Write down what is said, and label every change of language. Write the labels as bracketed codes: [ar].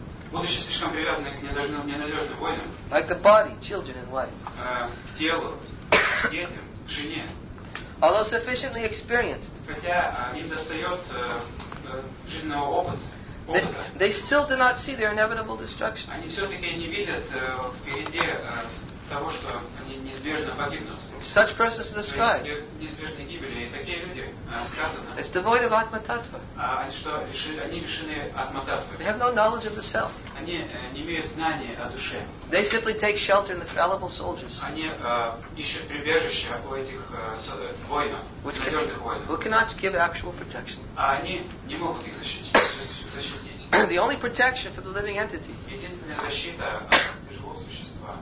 [ru] Будучи слишком привязаны к ненадежным воинам, [en] like the body, children and wife. [ru] К телу, к детям, к жене. [en] Although sufficiently experienced, [ru] хотя им достает жизненного опыта, [en] they still do not see their inevitable destruction. [ru] Они все-таки не видят впереди того, что они неизбежно погибнут. [en] Such persons are described. [ru] Неизбежной гибели. И такие люди сказаны. [en] It's devoid of atma-tattva. [ru] Они лишены атма-таттвы. [en] They have no knowledge of the self. [ru] Они не имеют знания о душе. [en] They simply take shelter in the fallible soldiers. [ru] Они ищут прибежище у этих воинов, надежных воинов. [en] Who cannot give actual protection. [ru] А они не могут их защитить. [en] The only protection for the living entity. [ru] Единственная защита живого существа.